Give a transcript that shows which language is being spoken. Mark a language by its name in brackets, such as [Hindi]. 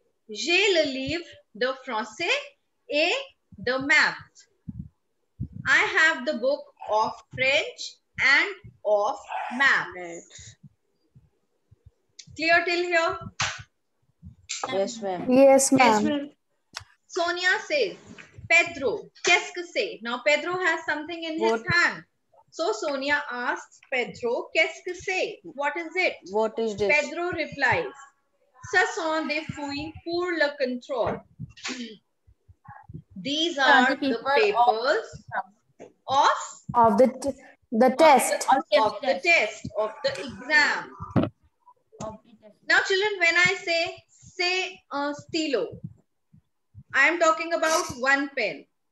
[French] J'ai le livre de français et de maths. [English] I have the book of French and of maths. Right. Clear till here? Yes, ma'am. Yes, ma'am. Yes, ma'am. Sonia says, Pedro, [French] qu'est-ce que c'est? [English] Now, Pedro has something in his hand. So, Sonia asks Pedro, [French] qu'est-ce que c'est? [English] What is it? What is this? Pedro replies, [French] ce sont des fouilles pour le contrôle. [English] These are the papers of the test, of the exam. Now, children, when I say, [French] c'est un stylo, [English] I am talking about one pen.